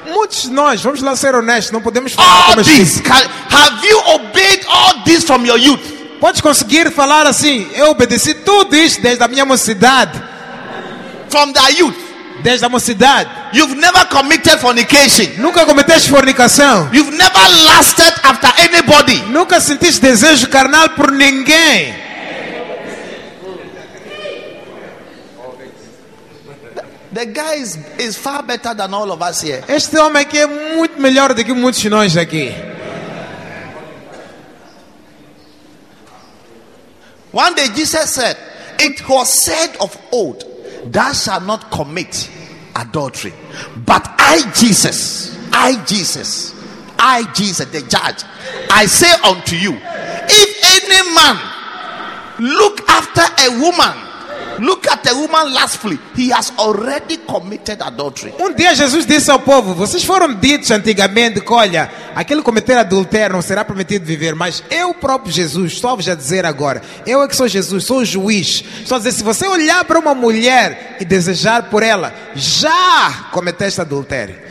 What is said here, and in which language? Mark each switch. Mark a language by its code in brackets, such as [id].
[pt] Muitos de nós, vamos lá ser honestos, não podemos falar como este. [en] Have you obeyed all this from your youth? [pt] Podes conseguir falar assim: eu obedeci tudo isso desde a minha mocidade. [en] From the youth. [pt] Desde a mocidade. [en] You've never committed fornication. [pt] Nunca cometeste fornicação. [en] You've never lusted after anybody. [pt] Nunca sentiste desejo carnal por ninguém. [en] The guy is far better than all of us here. [pt] Este homem aqui é muito melhor do que muitos de nós aqui. [en] One day Jesus said, "It was said of old, 'Thou shalt not commit adultery.' But I, Jesus, the judge, I say unto you, if any man look after a woman, look at a woman lustfully, he has already committed adultery." [pt] Um dia Jesus disse ao povo: vocês foram ditos antigamente que, olha, aquele cometer adultério não será permitido viver, mas eu próprio Jesus estou a vos dizer agora, eu é que sou Jesus, sou o juiz, estou a dizer, se você olhar para uma mulher e desejar por ela, já cometeste adultério.